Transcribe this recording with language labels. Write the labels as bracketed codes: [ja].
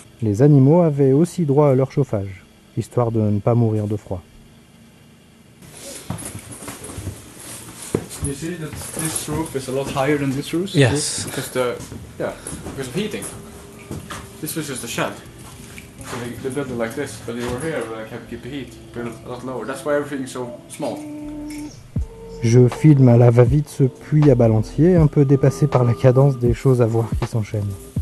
[fr] Les animaux avaient aussi droit à leur chauffage, histoire de ne pas mourir de froid. [en] You see that this roof is a lot higher than this roof? Yes. Because of heating. This was just a shed. So they built it like this, but they were here, but I kept keeping heat. Built a lot lower. That's why everything is so small. [fr] Je filme à la va-vite ce puits à balancier, un peu dépassé par la cadence des choses à voir qui s'enchaînent.